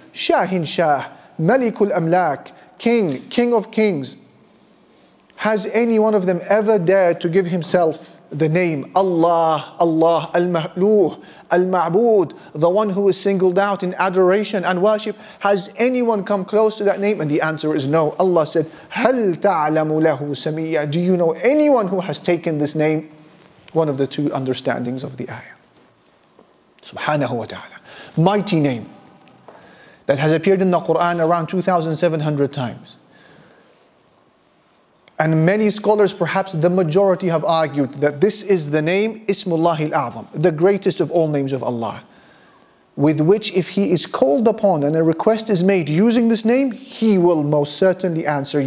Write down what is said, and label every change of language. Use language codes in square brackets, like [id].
[en] Shahin Shah, Malikul Amlak, King, King of Kings. Has any one of them ever dared to give himself the name Allah, Allah, Al-Mahluh, Al-Ma'bud, the one who is singled out in adoration and worship? Has anyone come close to that name? And the answer is no. Allah said, [ar] هَلْ تَعْلَمُ لَهُ سَمِيًّا. [en] Do you know anyone who has taken this name? One of the two understandings of the ayah. Subhanahu wa ta'ala. Mighty name that has appeared in the Quran around 2,700 times. And many scholars, perhaps the majority, have argued that this is the name Ismullah al-A'zam, the greatest of all names of Allah, with which if he is called upon and a request is made using this name, he will most certainly answer.